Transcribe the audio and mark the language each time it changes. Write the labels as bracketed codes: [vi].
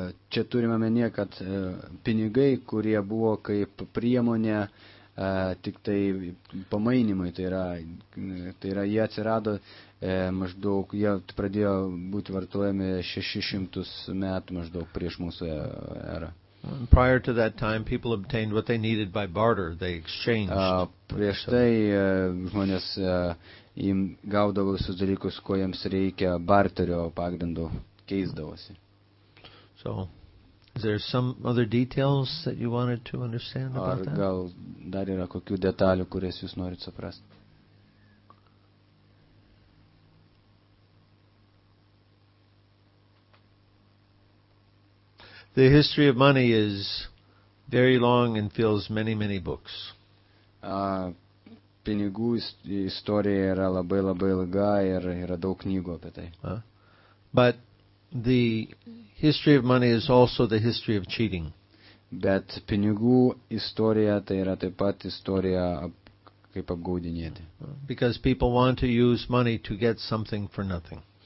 [lt] Čia turime omenyje, kad pinigai, kurie buvo kaip priemonė, tik tai pamainimai, tai yra jie atsirado maždaug, jie pradėjo būti vartojami 600 metų maždaug prieš mūsų erą. [en] Prior to that time, people obtained what they needed by barter, they exchanged. [lt] Prieš tai žmonės gaudavo visus dalykus, ko jiems reikia, barterio pagrindu keisdavosi. [en] So, is there some other details that you wanted to understand about that? [lt] Ar gal dar yra kokių detalių, kurias jūs norit suprasti? [en] The history of money is very long and fills many, many books. [lt] Pinigų istorija yra labai, labai ilga ir yra daug knygų apie tai. [en] But the history of money is also the history of cheating. [lt] Bet pinigų istorija tai yra taip pat istorija kaip apgaudinėti. [en] Because people want to use money to get something for nothing.